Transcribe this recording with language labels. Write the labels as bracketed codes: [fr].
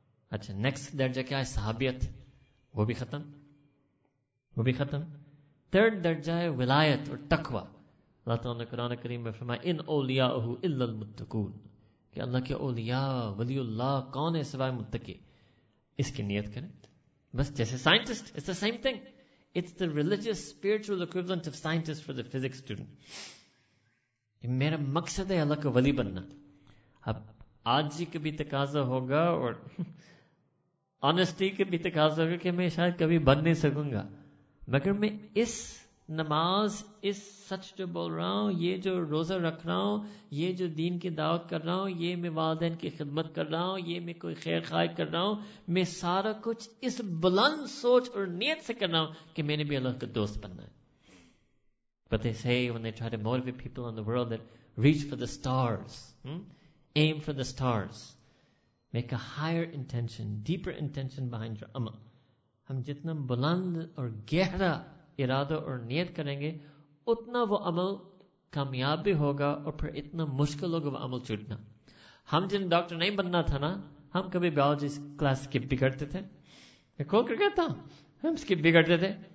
[ur] اچھا نیکسٹ درجہ کیا ہے؟ صحابیت. وہ بھی ختم، وہ بھی ختم. تھرڈ درجہ ہے ولایت اور تقویٰ. اللہ تعالیٰ نے قرآن کریم میں فرمایا [ar] ان اولیاءہ الا المتقون، [ur] کہ اللہ کے اولیاء ولی اللہ کون ہے سوائے متقی. اس کی نیت کریں بس، جیسے scientist. [en] It's the same thing, it's the religious spiritual equivalent of scientist for the physics student. [ur] میرا مقصد ہے اللہ کا ولی بننا. اب آج ہی کبھی تقاضا ہوگا، اور آنےسٹی کے بھی تقاضا ہوگا کہ میں شاید کبھی بن نہیں سکوں گا، مگر میں اس نماز، اس سچ جو بول رہا ہوں، یہ جو روزہ رکھ رہا ہوں، یہ جو دین کی دعوت کر رہا ہوں، یہ میں والدین کی خدمت کر رہا ہوں، یہ میں کوئی خیر خواہ کر رہا ہوں، میں سارا کچھ اس بلند سوچ اور نیت سے کر رہا ہوں کہ میں نے بھی اللہ کا دوست بننا ہے. [en] But they say when they try to motivate people in the world that reach for the stars, aim for the stars, make a higher intention, deeper intention behind your amal. [ur] ہم جتنا بلند اور گہرا ارادہ اور نیت کریں گے، اتنا وہ عمل کامیاب بھی ہوگا، اور پھر اتنا مشکل ہوگا وہ عمل چھوٹنا. ہم جن ڈاکٹر نہیں بننا تھا نا، ہم کبھی بایولوجی کلاس اسکپ بھی کرتے تھے، میں کھول کر کہتا ہوں ہم اسکپ بھی کرتے تھے.